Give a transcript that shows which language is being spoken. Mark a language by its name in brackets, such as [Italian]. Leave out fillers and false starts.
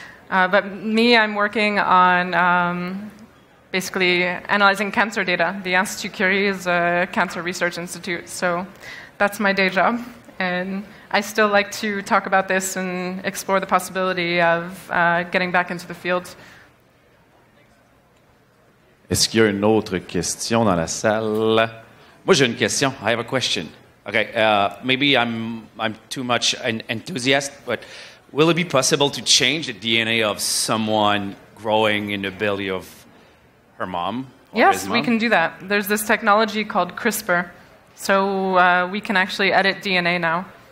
[English] But me, I'm working on basically analyzing cancer data. The Institut Curie is a cancer research institute, so that's my day job. And I still like to talk about this and explore the possibility of getting back into the field. [French] Est-ce qu'il y a une autre question dans la salle? Moi, j'ai une question. [English] I have a question. Okay, maybe I'm too much an enthusiast, but will it be possible to change the DNA of someone growing in the belly of her mom? Yes, we can do that. There's this technology called CRISPR. So we can actually edit DNA now.